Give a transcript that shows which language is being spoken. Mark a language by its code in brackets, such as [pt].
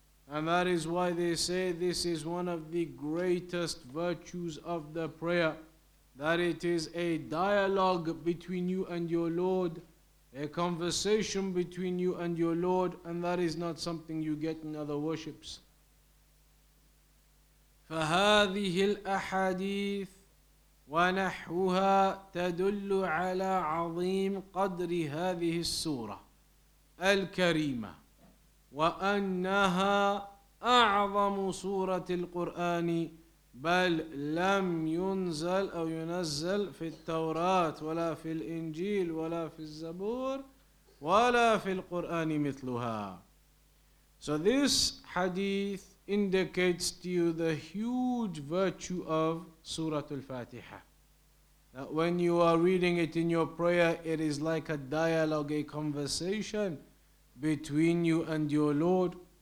[en] And that is why they say this is one of the greatest virtues of the prayer, that it is a dialogue between you and your Lord, a conversation between you and your Lord, and that is not something you get in other worships. [ar] فهذه الأحاديث ونحوها تدل على عظيم قدر هذه السورة الكريمة وأنها أعظم سورة القرآن بل لم ينزل أو ينزل في التوراة ولا في الإنجيل ولا في الزبور ولا في القرآن مثلها. [en] So this hadith indicates to you the huge virtue of Surah Al-Fatiha. That when you are reading it in your prayer, it is like a dialogue, a conversation between you and your Lord.